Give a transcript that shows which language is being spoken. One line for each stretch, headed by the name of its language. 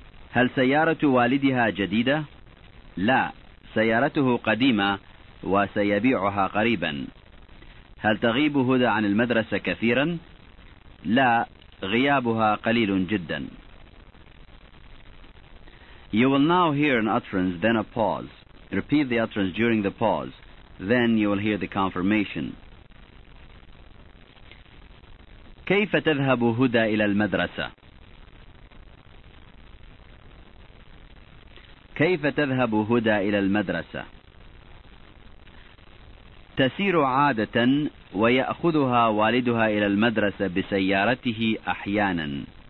Arabic: هل سيارة والدها جديدة؟ لا، سيارته قديمة وسيبيعها قريبا. هل تغيب هدى عن المدرسة كثيرا؟ لا، غيابها قليل جدا.
English: You will now hear an utterance, then a pause. Repeat the utterance during the pause. Then you will hear the confirmation.
Arabic: كيف تذهب هدى إلى المدرسة؟ كيف تذهب هدى إلى المدرسة؟ تسير عادة ويأخذها والدها إلى المدرسة بسيارته أحيانا.